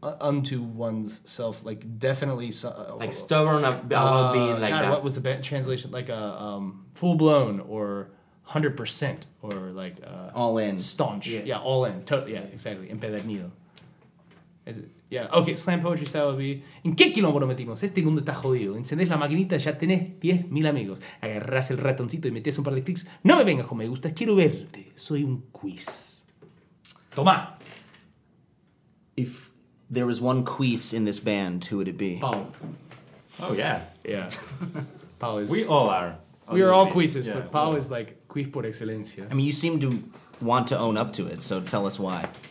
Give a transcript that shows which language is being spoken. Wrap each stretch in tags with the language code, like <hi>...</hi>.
<en>unto one's self, like definitely like stubborn about being like God, that. What was the translation? Like a full blown or 100% or like all in, staunch. Yeah, all in, totally. Yeah, exactly. Empedernido. Okay. Slam poetry style would be.</en> <es>¿En qué quilombo metimos? Este mundo está jodido. Encendes la maquinita, ya tenés 10,000 amigos. Agarras el ratoncito y metes un par de clics. No me vengas con me gustas. Quiero verte. Soy un quiz. Toma.</es> <en>If there was one cuis in this band, who would it be? Pau. Oh, yeah. Yeah. Pau is... We all are. We are all cuises, yeah, but Pau is like cuis por excelencia. I mean, you seem to want to own up to it, so tell us why.</en>